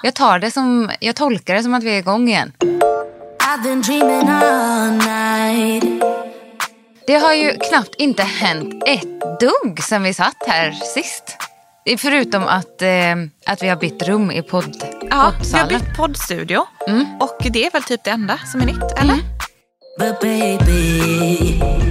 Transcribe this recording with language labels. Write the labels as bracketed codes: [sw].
[sv] Jag tar det som, jag tolkar det som att vi är igång igen. [en] I've been dreaming all night. [sv] Det har ju knappt inte hänt ett dugg sen vi satt här sist. Förutom att, att vi har bytt rum i poddsalen. Ja, vi har bytt poddstudio. Mm. Och det är väl typ det enda som är nytt, eller? [en] Mm. But baby.